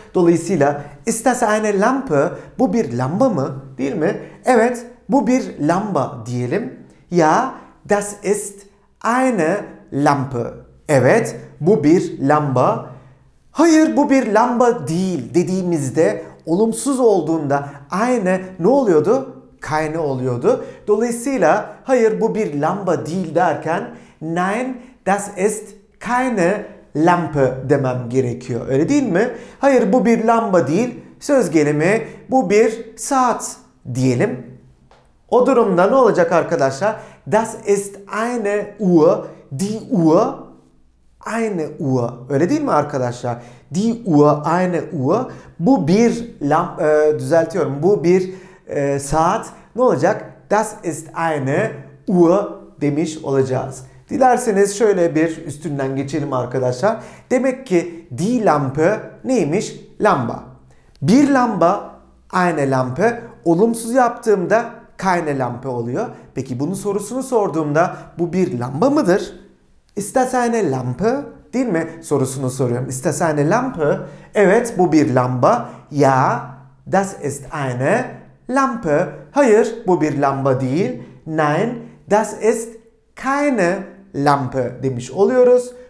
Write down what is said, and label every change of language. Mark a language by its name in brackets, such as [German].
[Turkish] Dolayısıyla [German] ist das eine Lampe? [Turkish] Bu bir lamba mı? Değil mi? Evet. Bu bir lamba diyelim. [German] Ja, das ist eine Lampe. [Turkish] Evet, bu bir lamba. Hayır, bu bir lamba değil dediğimizde, olumsuz olduğunda aynı ne oluyordu? Keine oluyordu. Dolayısıyla hayır bu bir lamba değil derken [German] Nein, das ist keine Lampe [Turkish] demem gerekiyor. Öyle değil mi? Hayır bu bir lamba değil. Söz gelimi bu bir saat diyelim. O durumda ne olacak arkadaşlar? [German] Das ist eine Uhr. Die Uhr. Eine Uhr. [Turkish] Öyle değil mi arkadaşlar? [German] Die Uhr. Eine Uhr. [Turkish] Bu bir lamba. Düzeltiyorum. Bu bir saat. Ne olacak? [German] Das ist eine Uhr [Turkish] demiş olacağız. Dilerseniz şöyle bir üstünden geçelim arkadaşlar. Demek ki die Lampe neymiş? Lamba. Bir lamba, [German] eine Lampe. [Turkish] Olumsuz yaptığımda [German] keine Lampe [Turkish] oluyor. Peki bunun sorusunu sorduğumda bu bir lamba mıdır? [German] Ist das eine Lampe? [Turkish] Değil mi? Sorusunu soruyorum. [German] Ist das eine Lampe? [Turkish] Evet bu bir lamba. [German] Ja, das ist eine Lampe. [Turkish] Hayır bu bir lamba değil. [German] Nein, das ist keine Lampe [Turkish] demiş oluyoruz.